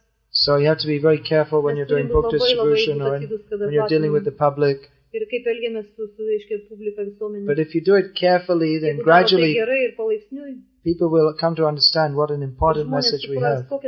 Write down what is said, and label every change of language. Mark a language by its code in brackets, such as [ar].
[en] So you have to be very careful when you're doing book distribution or when you're dealing with the public. [lt] Ir kaip elgiamės su reiškia, publika visuomenė. [en] But if you do it carefully, then gradually people will come to understand what an important message we have.